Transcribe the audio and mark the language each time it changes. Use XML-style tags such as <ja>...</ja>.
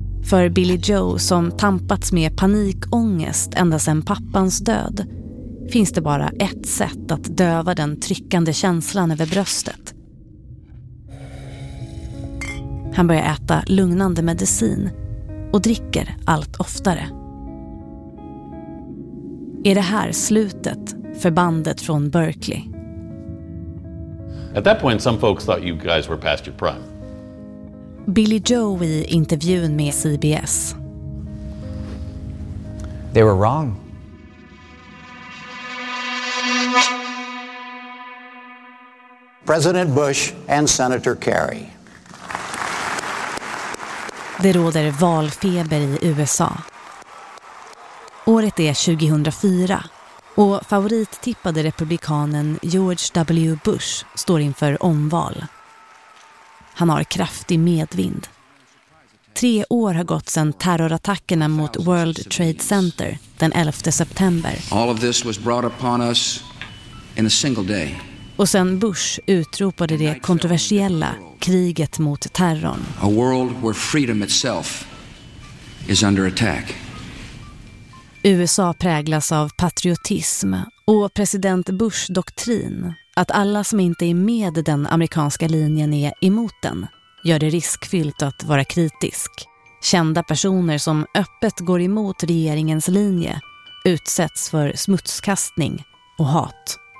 <sv>För Billy Joe, som tampats med panikångest ända sedan pappans död, finns det bara ett sätt att döva den tryckande känslan över bröstet. Han börjar äta lugnande medicin och dricker allt oftare. Är det här slutet för bandet från Berkeley?</sv> <en>At that point some folks thought you guys were past your prime.</en> <sv>Billy Joe i intervjun med CBS.</sv> <en>They were wrong. President Bush and Senator Kerry.</en> <sv>Det råder valfeber i USA. Året är 2004. Och favorittippade republikanen George W. Bush står inför omval. Han har kraftig medvind. 3 år har gått sedan terrorattackerna mot World Trade Center den 11 september.</sv> <en>All of this was brought upon us in a single day.</en> <sv>Och sen Bush utropade det kontroversiella kriget mot terrorn.</sv> <en>A world where freedom itself is under attack.</en> <sv>USA präglas av patriotism och president Bush doktrin att alla som inte är med den amerikanska linjen är emot den, gör det riskfyllt att vara kritisk. Kända personer som öppet går emot regeringens linje utsätts för smutskastning och hat.</sv>